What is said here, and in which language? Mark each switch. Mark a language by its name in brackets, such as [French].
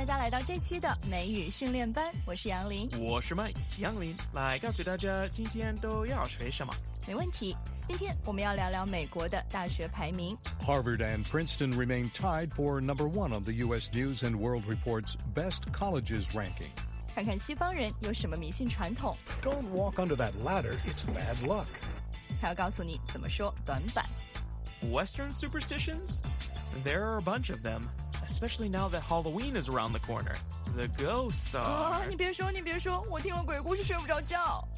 [Chinese] 到这期的美语训练班，我是杨林，我是麦杨林，来告诉大家今天都要学什么。没问题，今天我们要聊聊美国的大学排名。 [English] Harvard and Princeton remain tied for number one on the U.S. News and World Report's Best Colleges ranking. [Chinese] 看看西方人有什么迷信传统。 [English] Don't walk under that ladder, it's bad luck. [Chinese] 还要告诉你怎么说短板。 [English] Western superstitions? There are a bunch of them. Especially now that Halloween is around the corner. The ghosts are... [Chinese] 你别说，你别说，我听了鬼故事睡不着觉。